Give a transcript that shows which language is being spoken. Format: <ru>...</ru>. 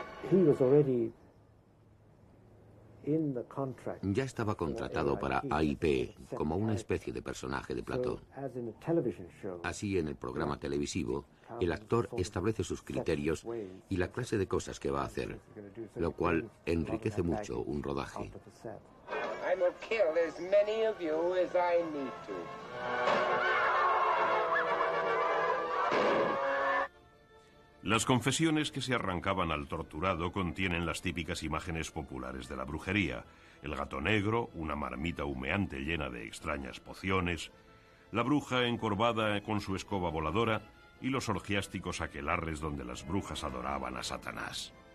<en>He was already in the contract.</en> <es>Ya estaba contratado para AIP como una especie de personaje de plató. Así, en el programa televisivo, el actor establece sus criterios y la clase de cosas que va a hacer, lo cual enriquece mucho un rodaje.</es> <en>I'm gonna kill as many of you as I need to.</en> <es>Las confesiones que se arrancaban al torturado contienen las típicas imágenes populares de la brujería. El gato negro, una marmita humeante llena de extrañas pociones, la bruja encorvada con su escoba voladora y los orgiásticos aquelarres donde las brujas adoraban a Satanás.</es>